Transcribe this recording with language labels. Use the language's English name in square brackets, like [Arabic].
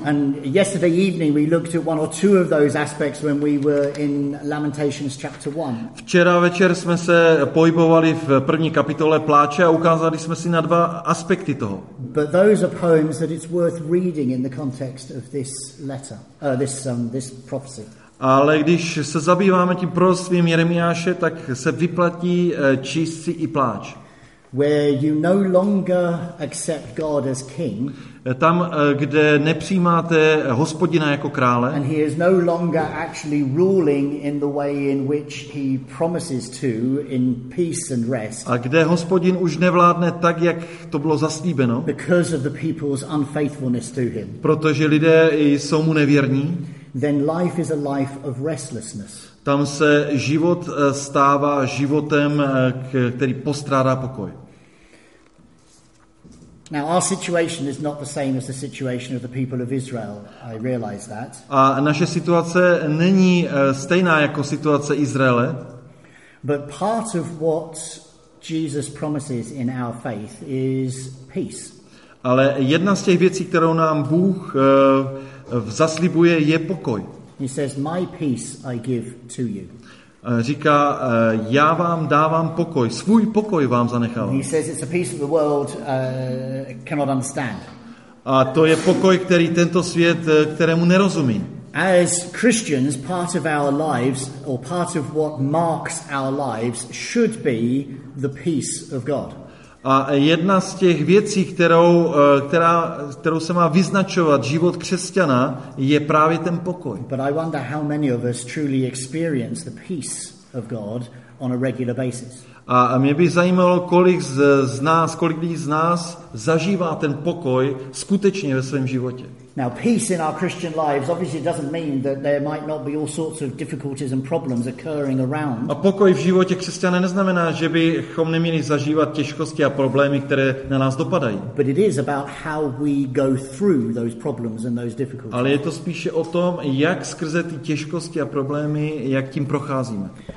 [English] And yesterday evening we looked at one or two of those aspects when we were in Lamentations chapter 1. [Czech] Včera večer jsme se pohybovali v první kapitole Pláče a ukázali jsme si na dva aspekty toho. [English] But those are poems that it's worth reading in the context of this letter, this prophecy. [Czech] Ale když se zabýváme tím proroctvím Jeremiáše, tak se vyplatí číst si i Pláč. [English] where you no longer accept God as king. [Czech] Tam, kde nepřijímáte Hospodina jako krále. [English] And he is no longer actually ruling in the way in which he promises to, in peace and rest. [Czech] A kde Hospodin už nevládne tak, jak to bylo zaslíbeno. [English] Because of the people's unfaithfulness to him. [Czech] Protože lidé jsou mu nevěrní. [English] Then life is a life of restlessness. [Czech] Tam se život stává životem, který postrádá pokoj. [English] Now our situation is not the same as the situation of the people of Israel. I realize that. [Czech] A naše situace není stejná jako situace Izraele. [English] But part of what Jesus promises in our faith is peace. [Czech] Ale jedna z těch věcí, kterou nám Bůh zaslibuje, je pokoj. [English] He says, "My peace I give to you." [Czech] Říká, já vám dávám pokoj, svůj pokoj vám zanechávám. [English] He says it's a peace of the world cannot understand. [Czech] A to je pokoj, který tento svět, kterému nerozumí. [English] As Christians, part of our lives, or part of what marks our lives, should be the peace of God. [Czech] A jedna z těch věcí, kterou se má vyznačovat život křesťana, je právě ten pokoj. [English] But I wonder how many of us truly experience the peace of God on a regular basis. [Czech] A mě by zajímalo, kolik lidí z nás zažívá ten pokoj skutečně ve svém životě. [English] Now peace in our Christian lives obviously doesn't mean that there might not be all sorts of difficulties and problems occurring around. [Czech] A pokoj v životě křesťana neznamená, že bychom neměli zažívat těžkosti a problémy, které na nás dopadají. [English] But it is about how we go through those problems and those difficulties. [Czech] Ale je to spíše o tom, jak skrze ty těžkosti a problémy, jak tím procházíme.